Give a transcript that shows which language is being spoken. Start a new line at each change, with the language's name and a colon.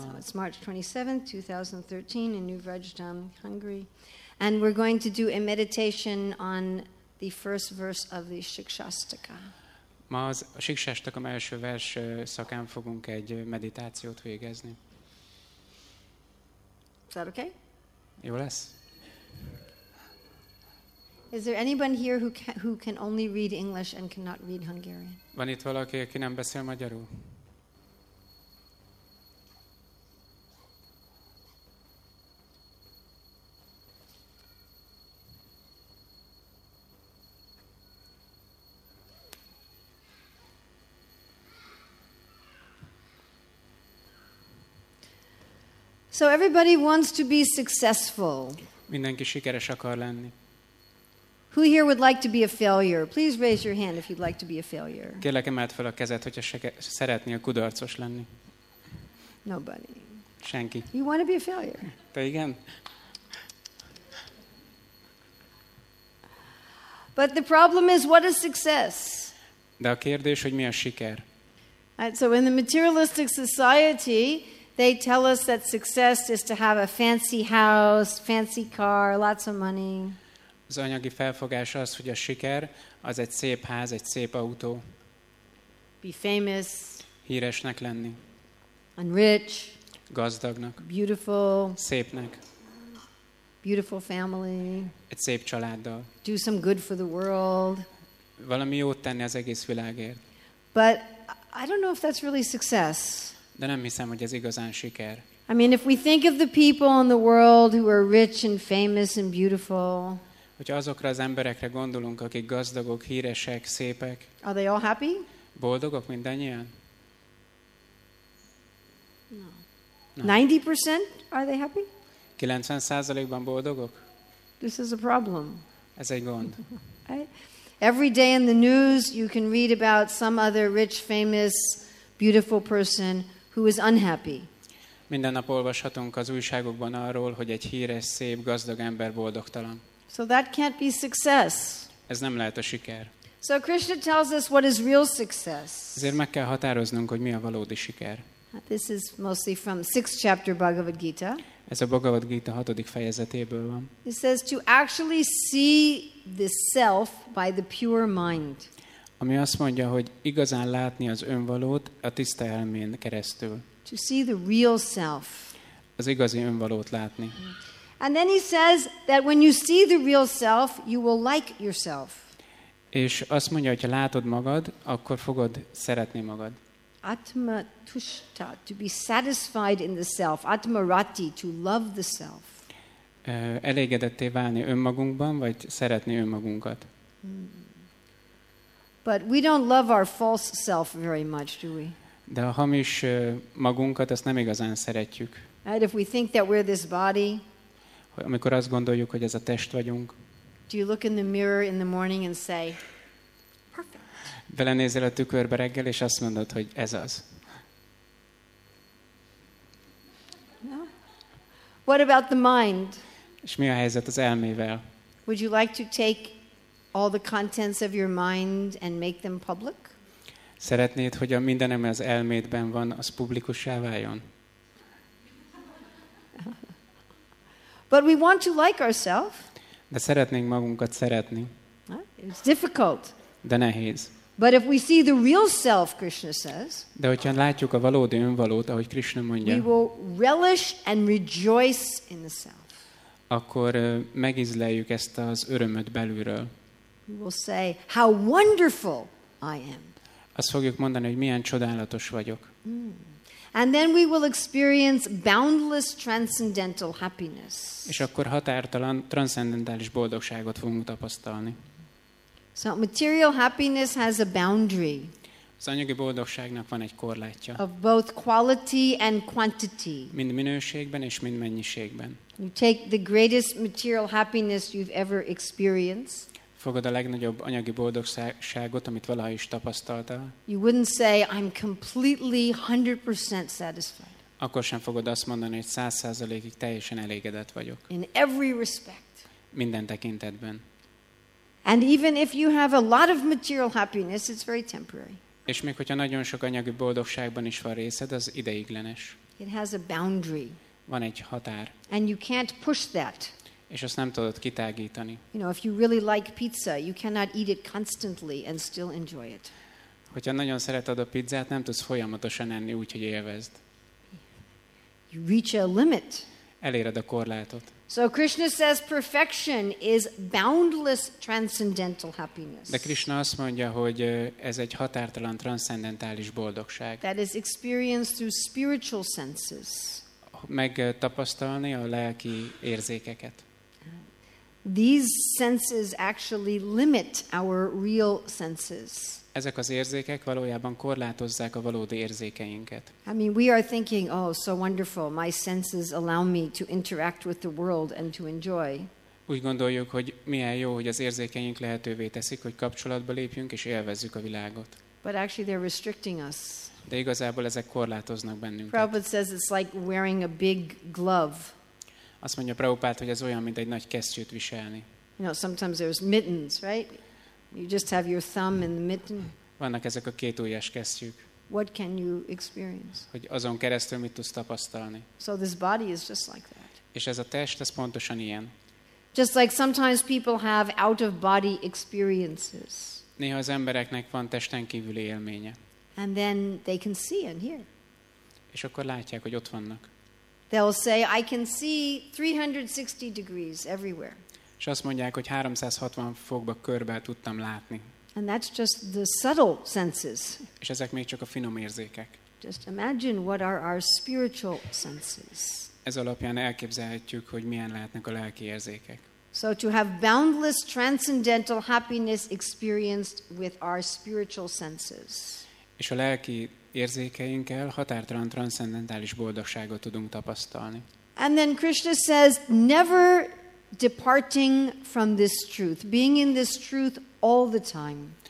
English: So it's March 27th, 2013 in New Vrajdam, Hungary. And we're going to do a meditation on the first verse of the Shikshastaka.
Hungarian: Ma az a Shikshastaka első vers szakán fogunk egy meditációt végezni.
English: Is that okay?
Hungarian: Jó lesz.
English: Is there anyone here who can only read English and cannot read Hungarian?
Hungarian: Van itt valaki, aki nem beszél magyarul?
English: So everybody wants to be successful.
Hungarian: Mindenki sikeres akar lenni.
English: Who here would like to be a failure? Please raise your hand if you'd like to be a failure.
Hungarian: Kérlek, emeld fel a kezed, hogyha szeretnél kudarcos lenni.
English: Nobody.
Hungarian: Senki.
English: You want to be a failure.
Hungarian: Te igen.
English: But the problem is, what is success?
Hungarian: De a kérdés, hogy mi a siker?
English: And so in the materialistic society, they tell us that success is to have a fancy house, fancy car, lots of money.
Hungarian: Az anyagi felfogás az, hogy a siker az egy szép ház, egy szép autó.
English: Be famous.
Hungarian: Híresnek lenni.
English: And rich.
Hungarian: Gazdagnak.
English: Beautiful.
Hungarian: Szépnek.
English: Beautiful family.
Hungarian: Egy szép családdal.
English: Do some good for the world.
Hungarian: Valami jót tenni az egész világért.
English: But I don't know if that's really success.
Hungarian: De nem hiszem, hogy ez igazán siker.
English: I mean, if we think of the people in the world who are rich and famous and beautiful.
Hungarian: Hogyha azokra az emberekre gondolunk, akik gazdagok, híresek, szépek.
English: Are they all happy?
Hungarian: Boldogok mindannyian?
English: No. 90% are they happy?
Hungarian: 90%-ban boldogok?
English: This is a problem.
Hungarian: Ez egy gond.
English: Every day in the news you can read about some other rich, famous, beautiful person who is unhappy.
Hungarian: Minden nap olvashatunk az újságokban arról, hogy egy híres, szép, gazdag ember boldogtalan.
English: So that can't be success.
Hungarian: Ez nem lehet a siker.
English: So Krishna tells us what is real success.
Hungarian: Ezért meg kell határoznunk, hogy mi a valódi siker.
English: This is mostly from 6th chapter Bhagavad Gita.
Hungarian: Ez a Bhagavad Gita 6. fejezetéből van.
English: It says to actually see the self by the pure mind.
Hungarian: Ami azt mondja, hogy igazán látni az önvalót a tiszta elmén keresztül.
English: To see the real self.
Hungarian: Az igazi önvalót látni.
English: And then he says that when you see the real self, you will like yourself.
Hungarian: És azt mondja, hogy ha látod magad, akkor fogod szeretni magad.
English: Atma tushta, to be satisfied in the self. Atma rati, to love the self.
Hungarian: Elégedetté válni önmagunkban, vagy szeretni önmagunkat.
English: But we don't love our false self very much, do we?
Hungarian: De a hamis magunkat azt nem igazán szeretjük.
English: Right, if we think that we're this body.
Hungarian: Amikor azt gondoljuk, hogy ez a test vagyunk.
English: Do you look in the mirror in the morning and say, perfect.
Hungarian: Belenézel a tükörbe reggel és azt mondod, hogy ez az.
English: No. What about the mind?
Hungarian: És mi a helyzet az elmével?
English: Would you like to take all the contents of your mind and make them public?
Hungarian: Szeretnéd, hogy a mindenem az elmédben van, az publikussá váljon?
English: But we want to like ourselves.
Hungarian: De szeretnénk magunkat szeretni.
English: It's difficult.
Hungarian: De nehéz.
English: But if we see the real self, Krishna says.
Hungarian: De hogyha látjuk a valódi önvalót, ahogy Krishna mondja.
English: We will relish and rejoice in the self.
Hungarian: Akkor megízleljük ezt az örömöt belülről.
English: We will say how wonderful I am.
Hungarian: Azt fogjuk mondani, hogy milyen csodálatos vagyok.
English: And then we will experience boundless transcendental happiness.
Hungarian: És akkor határtalan transzcendentális boldogságot fogunk tapasztalni.
English: So material happiness has a boundary.
Hungarian: Az anyagi boldogságnak van egy korlátja.
English: Of both quality and quantity.
Hungarian: Mind minőségben és mind mennyiségben.
English: You take the greatest material happiness you've ever experienced.
Hungarian: Fogod a legnagyobb anyagi boldogságot, amit valaha is tapasztaltál.
English: You wouldn't say I'm completely 100% satisfied.
Hungarian: Akkor sem fogod azt mondani, hogy 100%-ig teljesen elégedett vagyok.
English: In every respect.
Hungarian: Minden tekintetben.
English: And even if you have a lot of material happiness, it's very temporary.
Hungarian: És még hogyha nagyon sok anyagi boldogságban is van részed, az ideiglenes.
English: It has a boundary.
Hungarian: Van egy határ.
English: And you can't push that.
Hungarian: És azt nem tudod kitágítani.
English: You know, if you really like pizza, you cannot eat it constantly and still enjoy it.
Hungarian: Hogyha nagyon szereted a pizzát, nem tudsz folyamatosan enni, úgyhogy élvezd.
English: You reach a limit.
Hungarian: Eléred a korlátot.
English: So Krishna says perfection is boundless transcendental happiness.
Hungarian: De Krishna azt mondja, hogy ez egy határtalan transzcendentális boldogság.
English: That is experienced through spiritual senses.
Hungarian: Megtapasztalni a lelki érzékeket.
English: These senses actually limit our real senses.
Hungarian: Ezek az érzékek valójában korlátozzák a valódi érzékeinket.
English: I mean, we are thinking, oh, so wonderful, my senses allow me to interact with the world and to enjoy.
Hungarian: Úgy gondoljuk, hogy milyen jó, hogy az érzékeink lehetővé teszik, hogy kapcsolatba lépjünk és élvezzük a világot.
English: But actually they're restricting us.
Hungarian: De igazából ezek korlátoznak bennünket.
English: Prabhupada says it's like wearing a big glove.
Hungarian: Azt mondja Prabhupád, hogy ez olyan, mint egy nagy kesztyűt viselni.
English: You know, sometimes there's mittens, right? You just have your thumb in the mitten.
Hungarian: Vannak ezek a két ujjas kesztyűk.
English: What can you experience?
Hungarian: Hogy azon keresztül mit tudsz tapasztalni.
English: So this body is just like that.
Hungarian: És ez a test, ez pontosan ilyen.
English: Just like sometimes people have out of body experiences.
Hungarian: Néha az embereknek van testen kívüli élménye.
English: And then they can see and hear.
Hungarian: És akkor látják, hogy ott vannak.
English: They'll say, I can see 360 degrees everywhere.
Hungarian: És azt mondják, hogy 360 fokba körbe tudtam látni.
English: And that's just the subtle senses.
Hungarian: És ezek még csak a finom érzékek.
English: Just imagine what are our spiritual senses.
Hungarian: Ez alapján elképzelhetjük, hogy milyen lehetnek a lelki érzékek.
English: So to have boundless transcendental happiness experienced with our spiritual senses.
Hungarian: És a lelki érzékeinkkel határtalan transzcendentális boldogságot tudunk tapasztalni.
English: And then Krishna says, never departing from this truth, being in this truth all the time.